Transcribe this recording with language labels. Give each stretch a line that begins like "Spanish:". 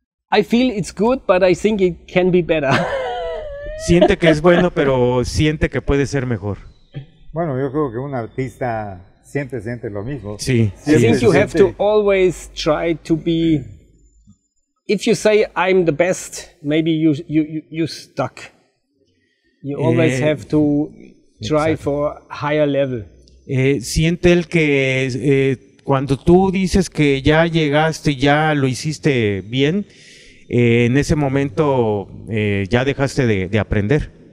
English: I feel it's good, but I think it can be better.
Spanish: Siente que es bueno, pero siente que puede ser mejor. Bueno, yo creo que un artista siempre siente lo mismo. Sí.
English: I think you have to always try to be. If you say I'm the best, maybe you stuck. You always have to try for higher level.
Spanish: Siente el que cuando tú dices que ya llegaste, ya lo hiciste bien, en ese momento ya dejaste de aprender.